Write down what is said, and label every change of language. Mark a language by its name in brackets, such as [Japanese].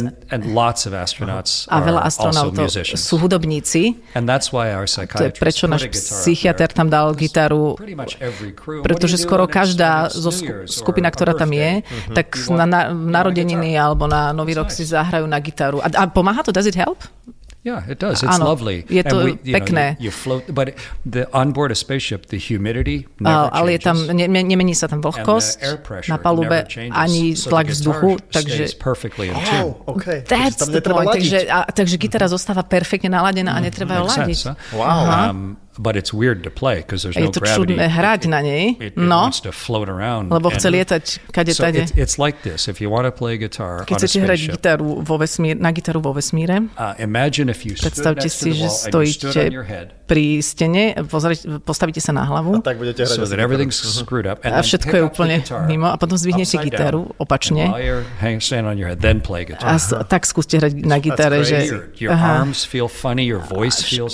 [English] And lots of astronauts are [Slovak] a veľa astronautov sú hudobníci. [English] And that's why our [Slovak] psychiatrist, to je prečo náš psychiatr tam dal gitaru, pretože skoro každá zo skupina, ktorá tam je, tak na narodeniny alebo na Nový rok si zahrajú na gitaru. A pomáha to? [English] Does it help? Yeah, it does. It's [Slovak] áno, [English] lovely. [Slovak] Je to pekné. [English] But the on board a spaceship, the humidity never changes. [Slovak] Ale je tam, nemení sa tam vlhkosť na palube, ani tlak vzduchu, takže [English] perfectly in tune. Oh, okay. That's the point. [Slovak] Takže gitara zostáva perfektne naladená a netreba ju ladiť. [English] Wow. But it's weird to play because there's no gravity. [Slovak] Je to čudné hrať na nej. No. [English] It wants to float around. [Slovak] Lebo chce lietať kade tade. [English] So it's like this. If you want to play guitar on a spaceship. [Slovak] Keď chcete hrať gitaru vo vesmíre, na gitaru vo vesmíre. [English] Imagine if you stood next to the wall and you stood on your head. [Slovak] Pri stene, postavíte sa na hlavu. A tak budete hrať. [English] So that everything's screwed up. [Slovak] A všetko je úplne mimo. A potom zvihnete gitaru opačne. [English] Stand on your head, then play guitar. [Slovak] A tak skúste hrať na gitare, že... [English] Your arms feel funny, your voice feels